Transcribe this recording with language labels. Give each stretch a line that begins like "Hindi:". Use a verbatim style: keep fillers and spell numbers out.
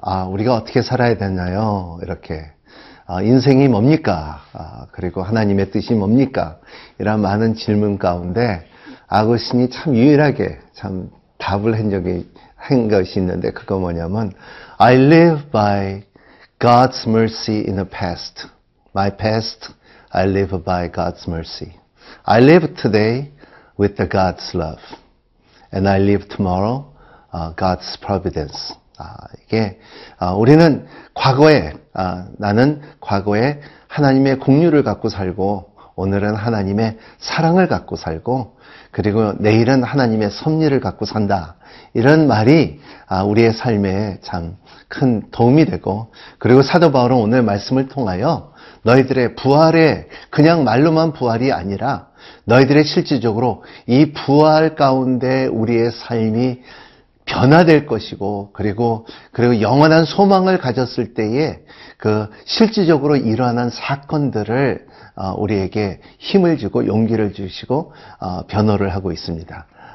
Korean: 아, 우리가 어떻게 살아야 되나요? 이렇게. 아, 인생이 뭡니까? 아, 그리고 하나님의 뜻이 뭡니까? 이런 많은 질문 가운데 아구스틴이 참 유일하게 참 답을 한 적이, 한 것이 있는데 그거 뭐냐면
English: I live by God's mercy in the past. My past, I live by God's mercy. I live today with the God's love. And I live tomorrow, uh, God's providence.
Korean: 아, 이게, 아, 우리는 과거에, 아, 나는 과거에 하나님의 긍휼을 갖고 살고, 오늘은 하나님의 사랑을 갖고 살고, 그리고 내일은 하나님의 섭리를 갖고 산다. 이런 말이, 아, 우리의 삶에 참 큰 도움이 되고, 그리고 사도 바울은 오늘 말씀을 통하여 너희들의 부활에 그냥 말로만 부활이 아니라, 너희들의 실질적으로 이 부활 가운데 우리의 삶이 변화될 것이고, 그리고, 그리고 영원한 소망을 가졌을 때에 그 실질적으로 일어난 사건들을 우리에게 힘을 주고 용기를 주시고, 변호를 하고 있습니다.